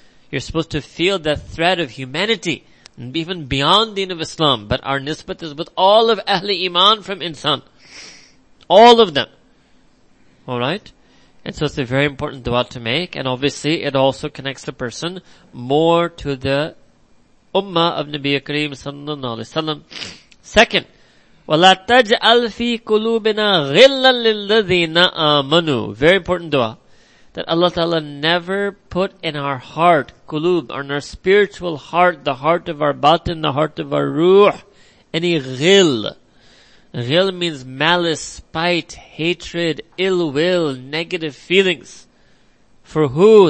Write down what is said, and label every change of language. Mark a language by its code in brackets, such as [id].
[en] You're supposed to feel that thread of humanity, even beyond deen of Islam, but our nisbat is with all of ahli iman from insan. All of them. Alright? And so it's a very important dua to make. And obviously it also connects the person more to the ummah of Nabi Kareem sallallahu alayhi wa sallam. [ar] Second, وَلَا تَجْعَلْ فِي قُلُوبِنَا غِلًّا لِلَّذِينَ آمَنُوا. [en] Very important dua. that Allah Ta'ala never put in our heart, qulub, on our spiritual heart, the heart of our batin, the heart of our ruh, any ghil. Ghil means malice, spite, hatred, ill will, negative feelings. For who?